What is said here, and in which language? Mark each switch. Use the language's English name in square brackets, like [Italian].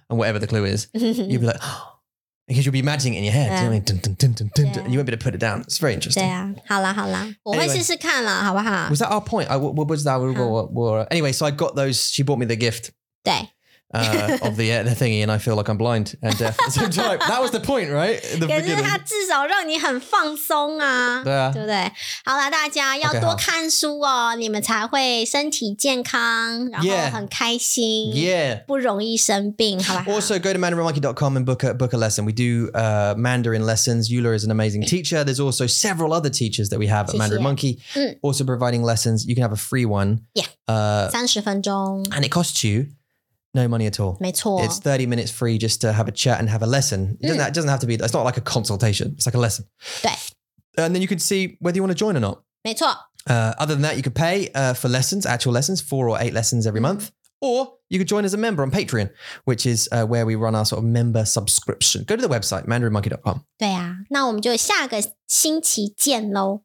[English] And whatever the clue is, you'll be like... Because you'll be imagining it in your head. Yeah. You know what I mean? Yeah. And you won't be able to put it down. It's very interesting. Yeah. [Chinese] 好啦,好啦。我会试试看啦,好不好? [English] Was that our point? What was that? Anyway, so I got those. She bought me the gift. [Chinese] 对。 [English] Of the thingy, and I feel like I'm blind and deaf. That was the point, right? The [Chinese] 可是它至少让你很放松啊。对啊。对不对？好啦，大家要多看书哦，你们才会身体健康，然后很开心，不容易生病，好吧？ [English] Also, go to mandarinmonkey.com and book a lesson. We do Mandarin lessons. Yula is an amazing teacher. There's also several other teachers that we have at Mandarin Monkey, also providing lessons. You can have a free one. Yeah. [Chinese] 30分钟. [English] And it costs you. No money at all. [Chinese] 没错. [English] It's 30 minutes free just to have a chat and have a lesson. It doesn't have to be, it's not like a consultation. It's like a lesson. [Chinese] 对. [English] And then you can see whether you want to join or not. [Chinese] 没错. [English] Other than that, you could pay for lessons, actual lessons, 4 or 8 lessons every month. Or you could join as a member on Patreon, which is where we run our sort of member subscription. Go to the website, mandarinmonkey.com. [Chinese] 对啊, 那我们就下个星期见咯。